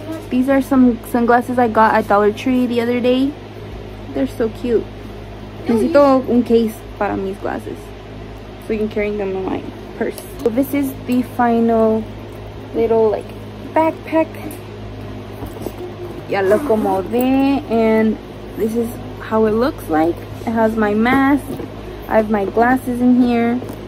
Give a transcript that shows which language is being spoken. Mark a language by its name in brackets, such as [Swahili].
[English] These are some sunglasses I got at Dollar Tree the other day. They're so cute. [Spanish] Necesito un case para mis glasses. [English] So you can carry them in my purse. So this is the final little like backpack. [Spanish] Ya lo acomodé. [English] And this is how it looks like. It has my mask. I have my glasses in here.